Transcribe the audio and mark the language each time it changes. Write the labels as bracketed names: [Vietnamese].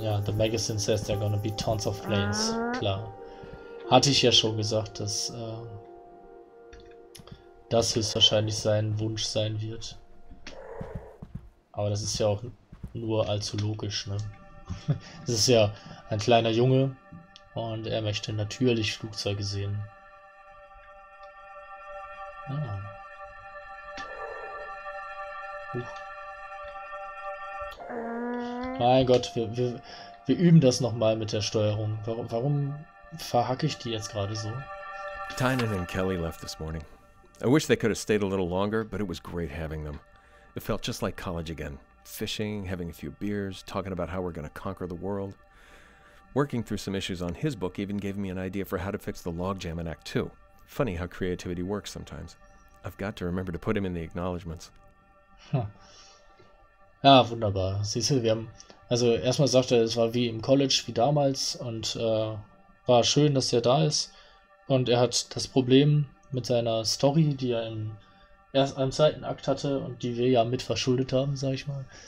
[English] Ja, the magazine says there are gonna be tons of planes. [German] Klar. Hatte ich ja schon gesagt, dass, das höchstwahrscheinlich sein Wunsch sein wird. Aber das ist ja auch nur allzu logisch, ne? Es ist ja ein kleiner Junge und er möchte natürlich Flugzeuge sehen. Ah. Mein Gott, wir üben das nochmal mit der Steuerung. Warum verhacke ich die jetzt gerade so? [English] Tynan und Kelly left this morning. I wish they could have stayed a little longer, but it was great having them. It felt just like college again. Fishing, having a few beers, talking about how we're going to conquer the world. Working through some issues on his book even gave me an idea for how to fix the logjam in Act 2. Funny how creativity works sometimes. I've got to remember to put him in the acknowledgements. [German] Hm. Ja, wunderbar. Siehst du, wir haben... Also erstmal sagt er, es war wie im College, wie damals. Und war schön, dass er da ist. Und er hat das Problem mit seiner Story, die er im ersten, im zweiten Akt hatte und die wir ja mit verschuldet haben, sag ich mal.